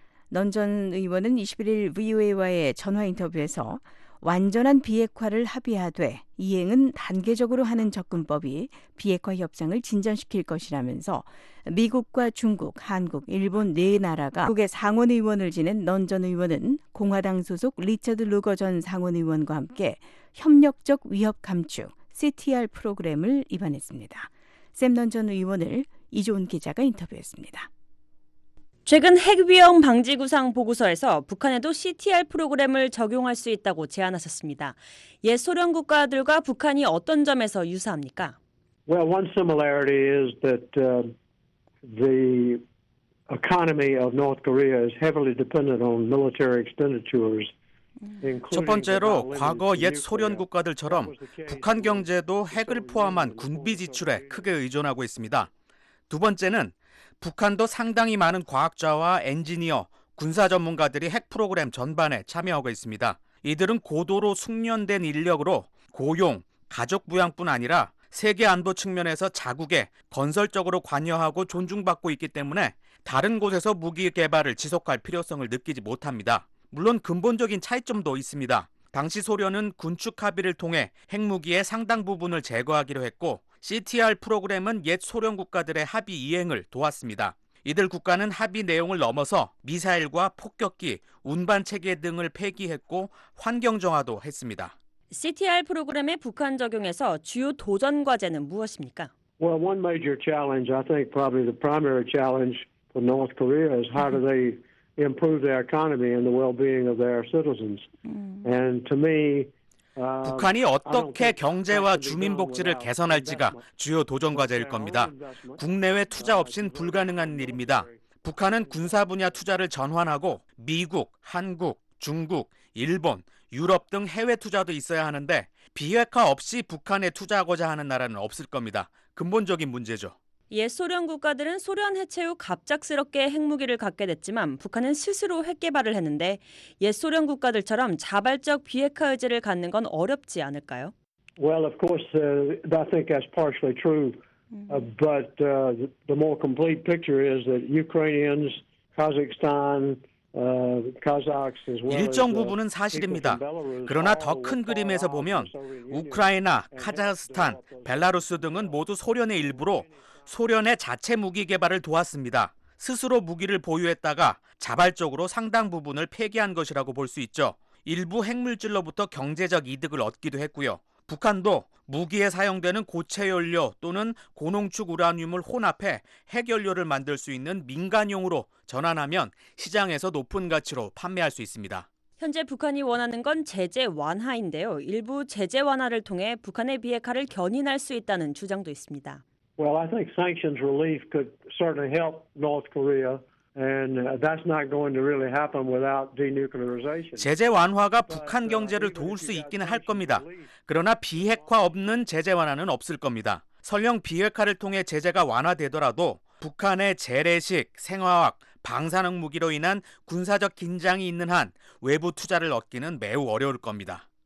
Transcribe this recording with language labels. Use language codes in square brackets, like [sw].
[ko] 런 전 의원은 21일 VOA와의 전화 인터뷰에서 완전한 비핵화를 합의하되 이행은 단계적으로 하는 접근법이 비핵화 협상을 진전시킬 것이라면서 미국과 중국, 한국, 일본 네 나라가 국회 상원의원을 지낸 런 전 의원은 공화당 소속 리처드 루거 전 상원의원과 함께 협력적 위협 감축 CTR 프로그램을 입안했습니다. 샘 런 전 의원을 이조은 기자가 인터뷰했습니다. 최근 핵위험 방지 구상 보고서에서 북한에도 CTR 프로그램을 적용할 수 있다고 제안하셨습니다. 옛 소련 국가들과 북한이 어떤 점에서 유사합니까? [en] Well, one similarity is that the economy of North Korea is heavily dependent on military expenditures. [ko] 첫 번째로 과거 옛 소련 국가들처럼 북한 경제도 핵을 포함한 군비 지출에 크게 의존하고 있습니다. 두 번째는 북한도 상당히 많은 과학자와 엔지니어, 군사 전문가들이 핵 프로그램 전반에 참여하고 있습니다. 이들은 고도로 숙련된 인력으로 고용, 가족 부양뿐 아니라 세계 안보 측면에서 자국에 건설적으로 관여하고 존중받고 있기 때문에 다른 곳에서 무기 개발을 지속할 필요성을 느끼지 못합니다. 물론 근본적인 차이점도 있습니다. 당시 소련은 군축 합의를 통해 핵무기의 상당 부분을 제거하기로 했고 CTR 프로그램은 옛 소련 국가들의 합의 이행을 도왔습니다. 이들 국가는 합의 내용을 넘어서 미사일과 폭격기, 운반 체계 등을 폐기했고 환경 정화도 했습니다. CTR 프로그램의 북한 적용에서 주요 도전 과제는 무엇입니까? [en] Well, one major challenge, I think probably the primary challenge for North Korea is how do they improve their economy and the well-being of their citizens. And to me, [ko] 북한이 어떻게 경제와 주민 복지를 개선할지가 주요 도전 과제일 겁니다. 국내외 투자 없인 불가능한 일입니다. 북한은 군사 분야 투자를 전환하고 미국, 한국, 중국, 일본, 유럽 등 해외 투자도 있어야 하는데 비핵화 없이 북한에 투자하고자 하는 나라는 없을 겁니다. 근본적인 문제죠. 옛 소련 국가들은 소련 해체 후 갑작스럽게 핵무기를 갖게 됐지만 북한은 스스로 핵 개발을 했는데 옛 소련 국가들처럼 자발적 비핵화 의지를 갖는 건 어렵지 않을까요? [en] Well, of course, I think that's partially true. But the more complete picture is that Ukrainians, Kazakhstan, Kazakhs as well. [ko] 일정 부분은 사실입니다. 그러나 더 큰 그림에서 보면 우크라이나, 카자흐스탄, 벨라루스 등은 모두 소련의 일부로 소련의 자체 무기 개발을 도왔습니다. 스스로 무기를 보유했다가 자발적으로 상당 부분을 폐기한 것이라고 볼 수 있죠. 일부 핵물질로부터 경제적 이득을 얻기도 했고요. 북한도 무기에 사용되는 고체 연료 또는 고농축 우라늄을 혼합해 핵연료를 만들 수 있는 민간용으로 전환하면 시장에서 높은 가치로 판매할 수 있습니다. 현재 북한이 원하는 건 제재 완화인데요. 일부 제재 완화를 통해 북한의 비핵화를 견인할 수 있다는 주장도 있습니다. [en] Well, I think sanctions relief could certainly help North Korea, and that's not going to really happen without denuclearization. [ko] 제재 완화가 북한 경제를 도울 수 있기는 할 겁니다. 그러나 비핵화 없는 제재 완화는 없을 겁니다. 설령 비핵화를 통해 제재가 완화되더라도 북한의 재래식, 생화학, 방사능 무기로 인한 군사적 긴장이 있는 한 외부 투자를 얻기는 매우 어려울 겁니다.